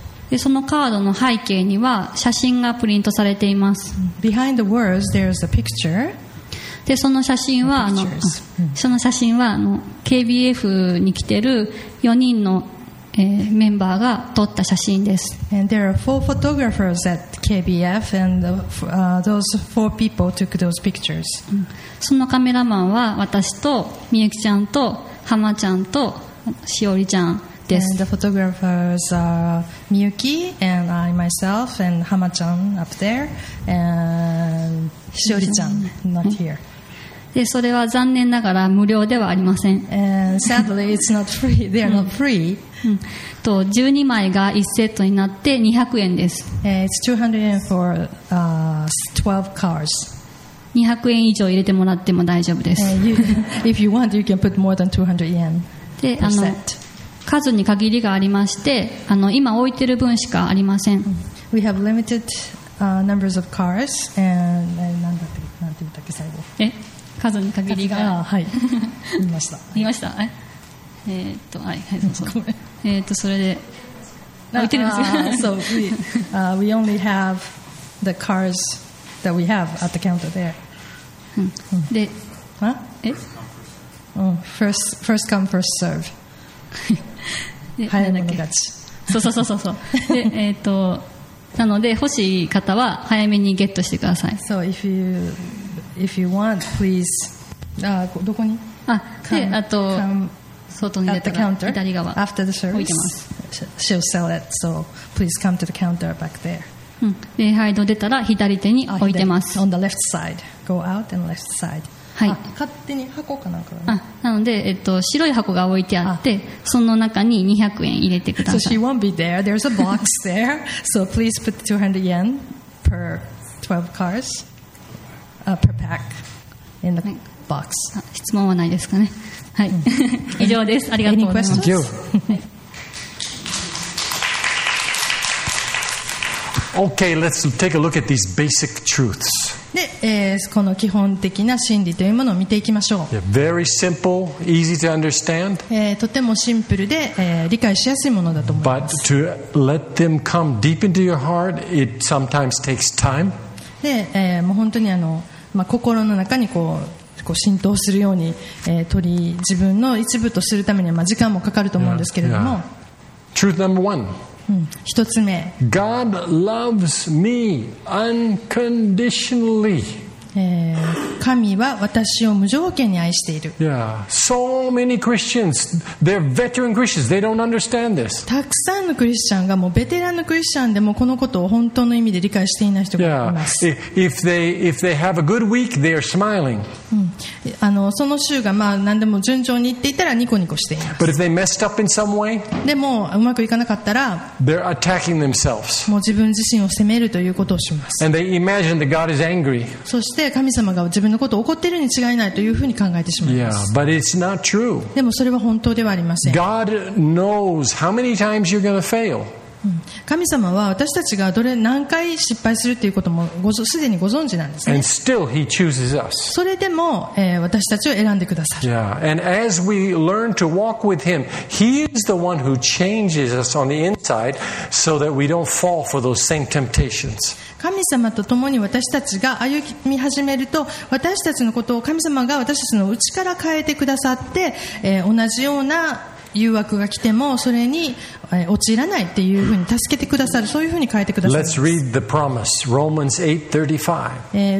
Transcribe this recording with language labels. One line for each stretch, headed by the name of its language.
Japanese: でそのカードの背景には写真がプリントされています。
English: Behind the words there's a picture.
Japanese: でその写真は、その写真は KBF に来ている4人のメンバーが撮った写真です。
English: And there are four photographers at KBF and those four people took those pictures.
Japanese: そのカメラマンは私とみゆきちゃんと浜ちゃんとしおりちゃんです。
English: And the photographers are Miyuki and I myself and Hama-chan up there and しおりちゃん not here.
Japanese: でそれは残念ながら無料ではありません。
English: And sadly it's not free. They are not free.
Japanese: と12枚が1セットになって200円です。
English: It's 200 yen for 12 cards.
Japanese: 200円以上入れてもらっても大丈夫です。
English: If you want, you can put more than 200 yen.
Japanese: で、あの、数に限りがありまして、あの、今置いてる分しかありません。
English: We have limited, numbers of cars and,
Japanese: 何だっけ、何て言ったっけ、最後。え、数に限りが。あ、はい。言いました。言いました。え、はい、はい、そうそう。それで、置いてるんですよ。
English: So we, we only have the cars that we have at the counter there.
Japanese: で、は？え？
English: First come, first serve.
Japanese: 早め勝ち。そうそうそうそうそう。で、なので欲しい方は早めにゲットしてください。
English: So if you want, please.
Japanese: どこに？あ、で、あと外に出たら左側。
English: After the service,
Japanese: 置いてます。
English: She'll sell it. So please come to the counter back there.
Japanese: で、はい、出たら左手に置いてます。
English: On the left side. Go out and left side.
Japanese: はい、勝手に箱かなんか、ね、あ、なので、白い箱が置いてあって、その中に200円入れてください。
English: So she won't be there. There's a box there. So please put 200 yen per 12 cars, per pack in the box.
Japanese: 質問はないですかね。はい、以上です。ありがとうございます。
English: Any questions? Okay, let's take a look at these basic truths.
Japanese: で、この基本的な真理というものを見ていきましょう。
English: Yeah, very simple, easy to understand.
Japanese: とてもシンプルで、理解しやすいものだと思います。
English: But to let them come deep into your heart, it sometimes takes time.
Japanese: で、もう本当にあの、まあ、心の中にこう浸透するように、取り自分の一部とするためには、まあ、時間もかかると思うんですけれども。
English: Truth number one.
Japanese: うん、一つ目、
English: God loves me unconditionally.
Japanese: 神は私を無条件に愛している。
English: Yeah, so many Christians, they're veteran Christians. They don't understand this.
Japanese: たくさんのクリスチャンがもうベテランのクリスチャンでもこのことを本当の意味で理解していない人がいます。
English: Yeah, if they have a good week, they are smiling.
Japanese: あのその週がまあ何でも順調にいっていたらニコニコしています。
English: But if they messed up in some way,
Japanese: でもうまくいかなかったら、
English: they're attacking themselves.
Japanese: もう自分自身を責めるということをします。
English: And they imagine that God is angry.
Japanese: そして神様が自分のことを怒っているに違いないというふうに考えてしまいます。
English: Yeah, but it's not true.
Japanese: でもそれは本当ではありません。
English: God knows how many times you're going to fail.
Japanese: 神様は私たちがどれ何回失敗するということもすでにご存知なんですね。
English: And still he chooses us.
Japanese: それでも、私たちを選んでくださる。
English: Yeah. And as we learn to walk with him, he is the one who changes us on the inside so that we don't fall for those same temptations.
Japanese: 神様と共に私たちが歩み始めると私たちのことを神様が私たちの内から変えてくださって、同じような誘惑が来てもそれに陥らないっていうふうに助けてくださる、そういうふうに変えてくださる。
English: Let's read the promise. Romans 8:35.